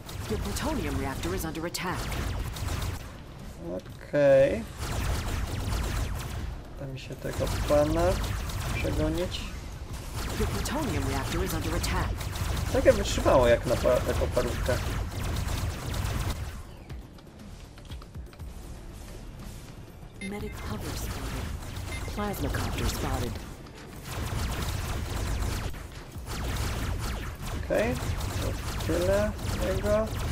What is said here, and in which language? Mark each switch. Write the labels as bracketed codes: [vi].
[en] Your plutonium reactor is under attack. Okay. [pl] Da mi się tego pana przegonić. [en] Your plutonium reactor is under attack. [pl] Tak jakby trzymało jak na taką parówkę. [en] Medic cover spotted. Plasma copter spotted. [pl] Okay. Tyle jego.